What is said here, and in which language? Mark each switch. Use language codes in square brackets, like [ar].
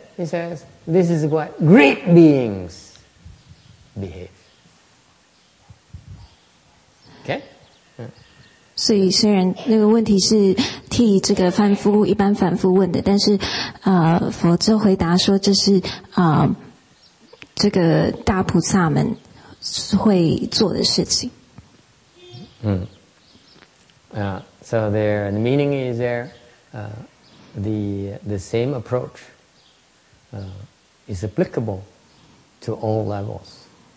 [en] He says, this is what great beings behave. Okay? [zh] So, 虽然那个问题是替这个凡夫一般凡夫问的, 但是, 佛就回答说这是, 这个大菩萨们会做的事情。 [en] So there, the meaning is there, the same approach is applicable to all levels.